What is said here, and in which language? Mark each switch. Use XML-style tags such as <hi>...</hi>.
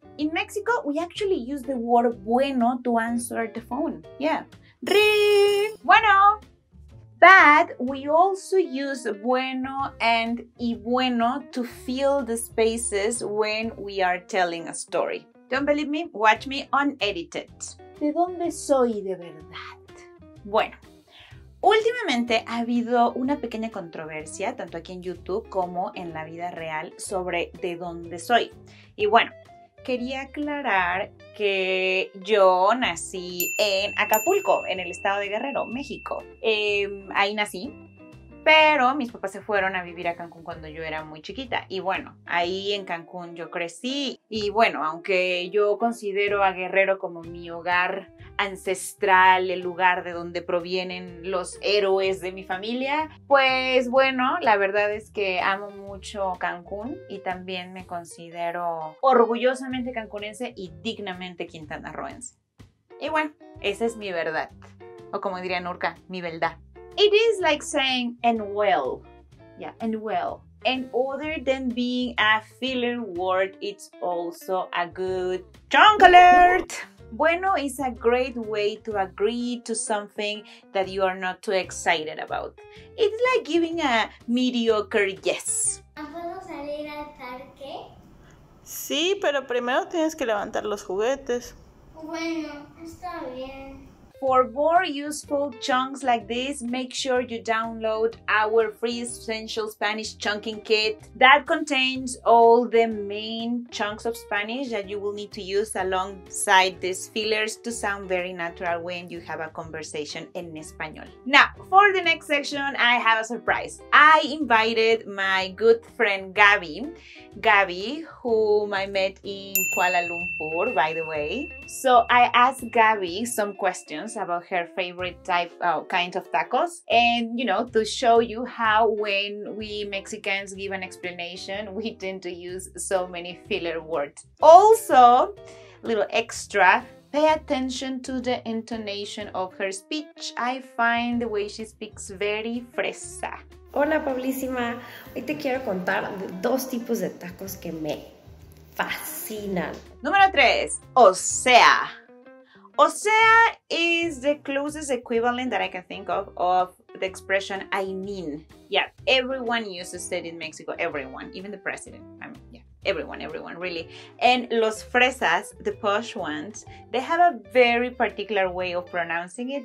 <en>In Mexico, we actually use the word bueno to answer the phone. Yeah. Ring.</en> <es>Bueno.</es> <en>But we also use bueno and y bueno to fill the spaces when we are telling a story. Don't believe me? Watch me unedited.</en> <es>¿De dónde soy de verdad? Bueno, últimamente ha habido una pequeña controversia, tanto aquí en YouTube como en la vida real, sobre de dónde soy. Y bueno, quería aclarar que yo nací en Acapulco, en el estado de Guerrero, México. Ahí nací, pero mis papás se fueron a vivir a Cancún cuando yo era muy chiquita. Y bueno, ahí en Cancún yo crecí. Y bueno, aunque yo considero a Guerrero como mi hogar ancestral, el lugar de donde provienen los héroes de mi familia, pues bueno, la verdad es que amo mucho Cancún y también me considero orgullosamente cancunense y dignamente quintanarroense. Y bueno, esa es mi verdad, o como diría Nurka, mi verdad.</es> <en>It is like saying and well. Yeah, and well. And other than being a filler word, it's also a good chunk alert. Bueno is a great way to agree to something that you are not too excited about. It's like giving a mediocre yes.</en> <es>¿Puedo salir al parque? Sí, pero primero tienes que levantar los juguetes. Bueno, está bien.</es> <en>For more useful chunks like this, make sure you download our free essential Spanish chunking kit that contains all the main chunks of Spanish that you will need to use alongside these fillers to sound very natural when you have a conversation</en> <es>en español.</es> <en>Now, for the next section, I have a surprise. I invited my good friend Gabby. Gabby, whom I met in Kuala Lumpur, by the way. So I asked Gabby some questions about her favorite type or kind of tacos, and you know, to show you how when we Mexicans give an explanation, we tend to use so many filler words. Also, little extra, pay attention to the intonation of her speech. I find the way she speaks very fresa.</en> <es>Hola, Pablísima. Hoy te quiero contar de dos tipos de tacos que me fascinan. Número 3, o sea.</es> <en>O sea is the closest equivalent that I can think of the expression I mean. Yeah, everyone uses it in Mexico, everyone, even the president. I mean, yeah. everyone, really. And los fresas, the posh ones, they have a very particular way of pronouncing it.</en>